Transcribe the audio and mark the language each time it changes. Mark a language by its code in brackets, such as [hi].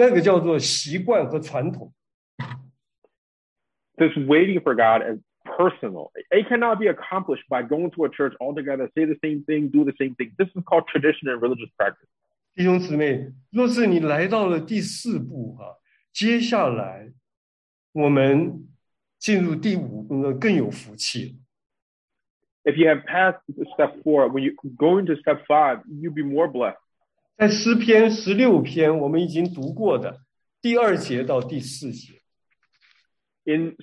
[zh] 这绝对是个人的事，不是我们大家来到聚会，大家讲同样的话，唱同样的歌，祷告同样的这个祷告词，你就懂得神的什么叫做等候主，不是的，那个叫做习惯和传统。 [en] This waiting for God is personal. It cannot be accomplished by going to a church all together, say the same thing, do the same thing. This is called tradition and religious practice. [zh] 弟兄姊妹，若是你来到了第四步，接下来我们进入第五步，更有福气。 [en] If you have passed step four, when you go into step five, you'll be more blessed. [zh] 在诗篇16篇，我们已经读过的第二节到第四节。 [en] In